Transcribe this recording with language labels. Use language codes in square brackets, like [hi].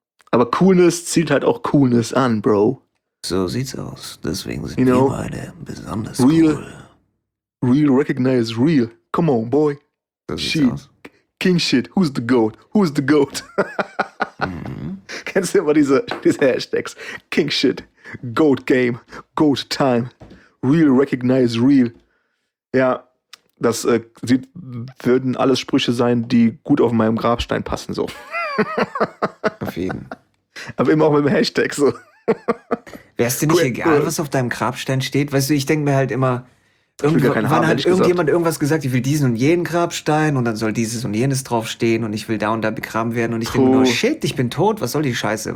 [de] Aber Coolness zieht halt auch Coolness an, Bro. So sieht's aus. Deswegen sind wir beide besonders real, cool. [en] Real recognize real. Come on, boy. [de] So sieht's aus. [en] King shit, who's the goat? Who's the goat? Mhm. [de] Kennst du immer diese Hashtags? [en] King shit, goat game, goat time, real recognize real. [de] Ja, das würden alles Sprüche sein, die gut auf meinem Grabstein passen, so. Auf jeden. Aber immer auch mit dem Hashtag, so. Wär's dir nicht egal, was auf deinem Grabstein steht? Weißt du, ich denke mir halt immer, irgendjemand gesagt, ich will diesen und jenen Grabstein und dann soll dieses und jenes draufstehen und ich will da und da begraben werden und ich denke nur, shit, ich bin tot, was soll die Scheiße?